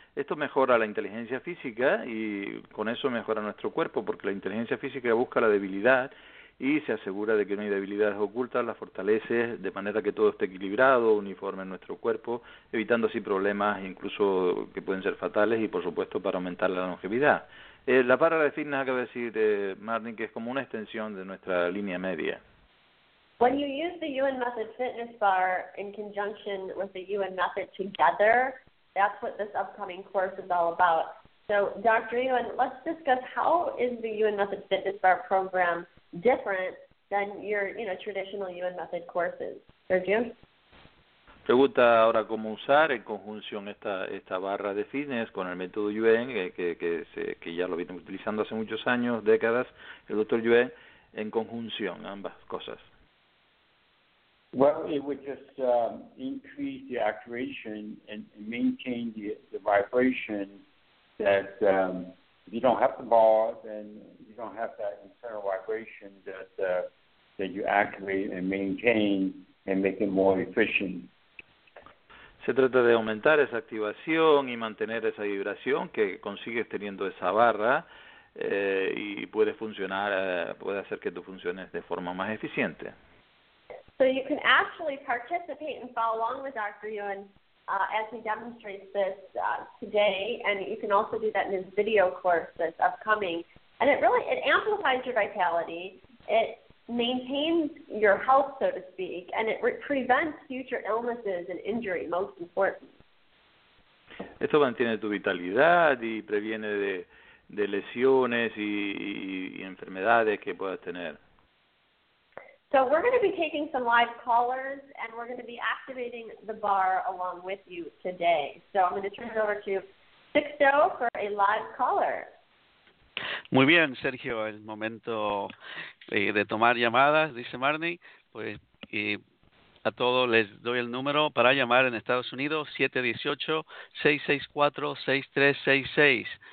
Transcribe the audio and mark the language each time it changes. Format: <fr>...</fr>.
<es>Esto mejora la inteligencia física, y con eso mejora nuestro cuerpo, porque la inteligencia física busca la debilidad y se asegura de que no hay debilidades ocultas, las fortalece de manera que todo esté equilibrado, uniforme en nuestro cuerpo, evitando así problemas incluso que pueden ser fatales, y por supuesto para aumentar la longevidad. La barra de fitness, acaba de decir Martin, que es como una extensión de nuestra línea media.</es> <en>When you use the Yuen Method Fitness Bar in conjunction with the Yuen Method together, that's what this upcoming course is all about. So, Dr. Yuen, let's discuss, how is the Yuen Method Fitness Bar program different than your, you know, traditional Yuen Method courses? Sergio?</en> <es>Pregunta ahora cómo usar en conjunción esta barra de fitness con el método Yuen, que ya lo viene utilizando hace muchos años, décadas, el doctor Yuen, en conjunción, ambas cosas.</es> <en>Well, it would just increase the activation and maintain the vibration that if you don't have the ball, then you don't have that internal vibration that that you activate and maintain and make it more efficient.</en> <es>Se trata de aumentar esa activación y mantener esa vibración que consigues teniendo esa barra y puede funcionar, puede hacer que tú funciones de forma más eficiente.</es> <en>So you can actually participate and follow along with Dr. Yuen as he demonstrates this today, and you can also do that in his video course that's upcoming. And it really, it amplifies your vitality, it maintains your health, so to speak, and it prevents future illnesses and injury, most important.</en> <es>Esto mantiene tu vitalidad y previene de lesiones y enfermedades que puedas tener.</es> <en>So we're going to be taking some live callers, and we're going to be activating the bar along with you today. So I'm going to turn it over to Sixto for a live caller.</en> <es>Muy bien, Sergio, el momento de tomar llamadas, dice Marnie. Pues a todos les doy el número para llamar en Estados Unidos, 718-664-6366.</es>